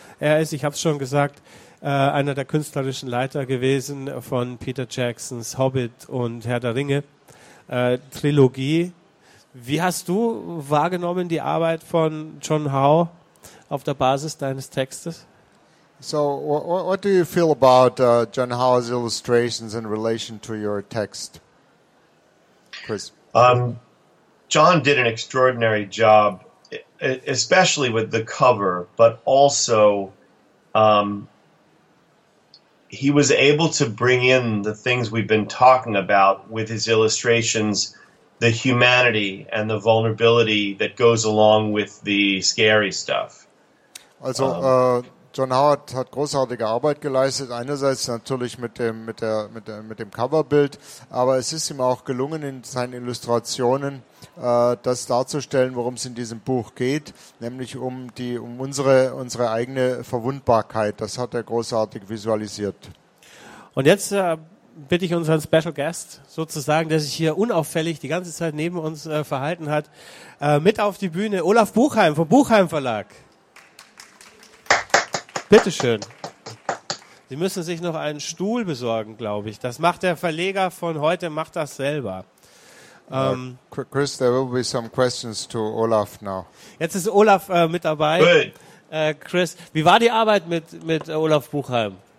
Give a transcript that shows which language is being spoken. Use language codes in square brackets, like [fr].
[de] Er ist, ich habe es schon gesagt, einer der künstlerischen Leiter gewesen von Peter Jacksons Hobbit und Herr der Ringe Trilogie. Wie hast du wahrgenommen die Arbeit von John Howe auf der Basis deines Textes? [en] So, what do you feel about John Howe's illustrations in relation to your text, Chris? John did an extraordinary job, especially with the cover, but also he was able to bring in the things we've been talking about with his illustrations, the humanity and the vulnerability that goes along with the scary stuff. [de] Also John Howard hat großartige Arbeit geleistet, einerseits natürlich mit dem Coverbild, aber es ist ihm auch gelungen in seinen Illustrationen das darzustellen, worum es in diesem Buch geht, nämlich um unsere eigene Verwundbarkeit. Das hat er großartig visualisiert. Und jetzt bitte ich unseren Special Guest sozusagen, der sich hier unauffällig die ganze Zeit neben uns verhalten hat, mit auf die Bühne, Olaf Buchheim vom Buchheim Verlag. Bitteschön. Sie müssen sich noch einen Stuhl besorgen, glaube ich. Das macht der Verleger von heute, macht das selber. [en] Chris, there will be some questions to Olaf now. [de] Jetzt ist Olaf mit dabei. Chris, wie war die Arbeit mit Olaf Buchheim?